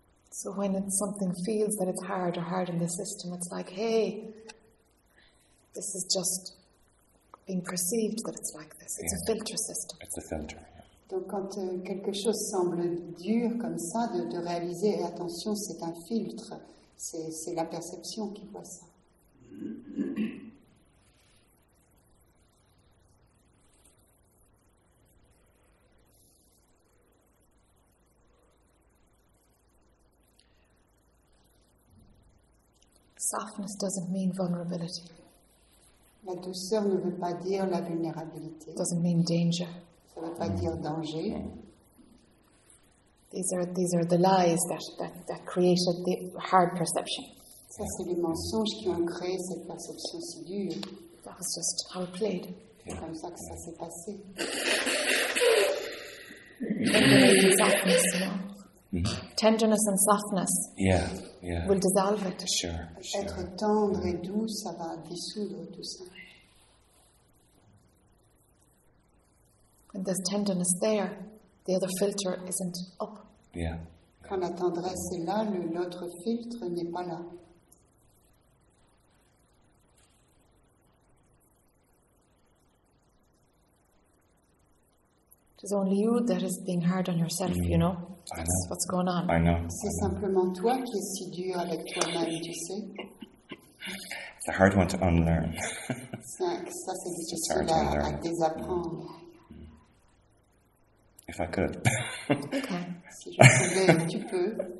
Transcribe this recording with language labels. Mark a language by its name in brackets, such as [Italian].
[English] So when it's something feels that it's hard or hard in the system, it's like, hey, this is just being perceived that it's like this. It's a filter system. It's a filter. Yeah. [French] Donc quand quelque chose semble dur comme ça, de réaliser, attention, c'est un filtre. C'est la perception qui voit ça. [English] Softness doesn't mean vulnerability. [French] La douceur ne veut pas dire la vulnérabilité. [English] Doesn't mean danger. [French] Ça ne veut pas dire danger. [English] These are the lies that created the hard perception. [French] Ça c'est les mensonges qui ont créé cette perception si dure. [English] That was just how it played. [French] C'est comme ça que ça s'est passé. [English] Tenderness and softness. Yeah, yeah. Will dissolve it. Sure. [French] Être tendre et doux, ça va dissoudre tout ça. [English] When there's tenderness there, the other filter isn't up. Yeah. [French] Quand la tendresse est là, l'autre filtre n'est pas là. [English] It is only you that is being hard on yourself, mm-hmm. you know? That's what's going on. I know. [French] C'est simplement toi qui es si dur avec toi-même, tu sais? [English] It's a hard one to unlearn. [French] Ça, c'est difficile à désapprendre. [English] If I could. Okay. [French] Si je pouvais, tu peux.